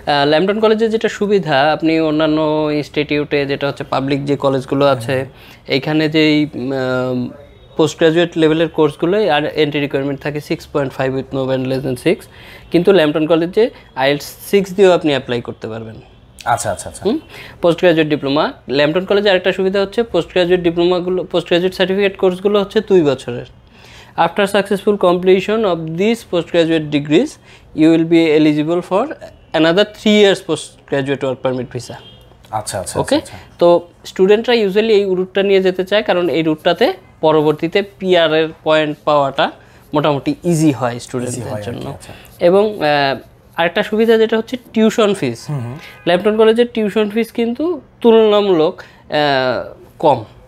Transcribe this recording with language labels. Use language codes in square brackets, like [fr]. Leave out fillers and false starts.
[bn] ল্যামটন কলেজে যেটা সুবিধা, আপনি অন্যান্য ইনস্টিটিউটে, যেটা হচ্ছে পাবলিক যে কলেজগুলো আছে, এইখানে যেই পোস্ট গ্রাজুয়েট লেভেলের কোর্সগুলোই আর এন্ট্রি রিকোয়ারমেন্ট থাকে 6.5 [en] with no band less than [bn] 6, কিন্তু ল্যামটন কলেজে আইএলটিএস 6 দিয়েও আপনি অ্যাপ্লাই করতে পারবেন। আচ্ছা আচ্ছা আচ্ছা, পোস্ট গ্রাজুয়েট ডিপ্লোমা ল্যামটন কলেজে। আরেকটা সুবিধা হচ্ছে, post graduate ডিপ্লোমাগুলো, post graduate certificate কোর্সগুলো হচ্ছে 2 বছরের। [en] After successful completion of this postgraduate degrees, you will be eligible for another 3 years postgraduate work permit visa. [bn] আচ্ছা আচ্ছা, ওকে। তো স্টুডেন্টরা ইউজুয়ালি এই রুটটা নিয়ে যেতে চায়, কারণ এই রুটটাতে পরবর্তীতে পিআর এর পয়েন্ট পাওয়াটা মোটামুটি ইজি হয় স্টুডেন্টদের জন্য। এবং আরেকটা সুবিধা যেটা হচ্ছে, টিউশন ফিস, ল্যামটন কলেজের টিউশন ফিস কিন্তু তুলনামূলক কম।